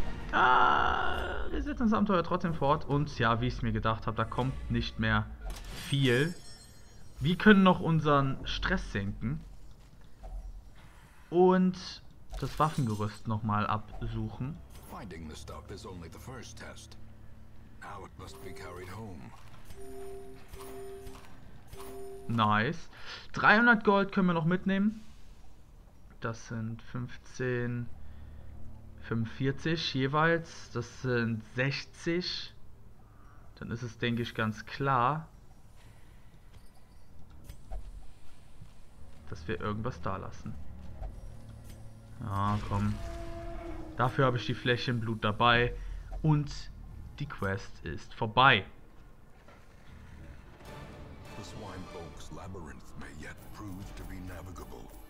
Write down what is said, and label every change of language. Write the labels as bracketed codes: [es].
[de] Wir setzen das Abenteuer trotzdem fort. Und ja, wie ich es mir gedacht habe, da kommt nicht mehr viel. Wir können noch unseren Stress senken. Und das Waffengerüst nochmal absuchen. [en] Finding the stuff is only the first test. Now it must be carried home. Nice. [de] 300 Gold können wir noch mitnehmen. Das sind 15, 45 jeweils. Das sind 60. Dann ist es, denke ich, ganz klar, dass wir irgendwas da lassen. Ja, komm. Dafür habe ich die Flächenblut dabei. Und die Quest ist vorbei. [en] The swine folk's labyrinth may yet prove to be navigable.